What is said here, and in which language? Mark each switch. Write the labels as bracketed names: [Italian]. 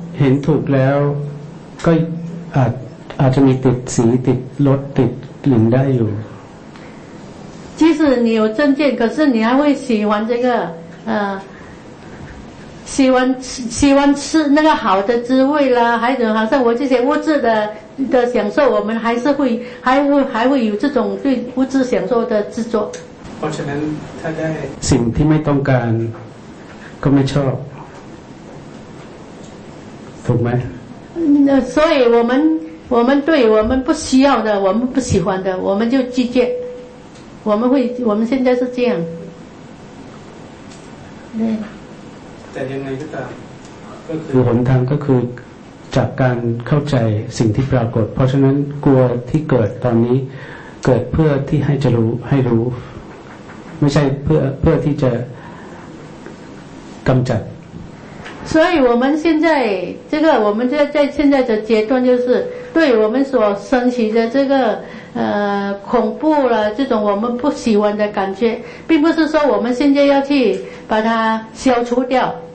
[Thai] เห็นถูกแล้วก็อาจจะมีติดสีติดรสติดกลิ่นได้อยู่ [Chinese] 即使你有正见可是你还会喜欢这个喜欢吃那个好的滋味啦还有好像我这些物质的享受我们还会有这种对物质享受的执着 [Thai] เพราะฉะนั้นถ้าได้สิ่งที่ไม่ต้องการก็ไม่ชอบถูกไหม [Chinese] 所以我们对我们不需要的我们不喜欢的我们就拒绝我们现在是这样 [Thai] 对หนทางก็คือจากการเข้าใจสิ่งที่ปรากฏเพราะฉะนั้นกลัวที่เกิดตอนนี้เกิดเพื่อที่ให้จะรู้ให้รู้ไม่ใช่เพื่อที่จะกำจัด [Chinese] 所以我们现在这个我们在现在的阶段就是对我们所升起的这个恐怖了这种我们不喜欢的感觉并不是说我们现在要去把它消除掉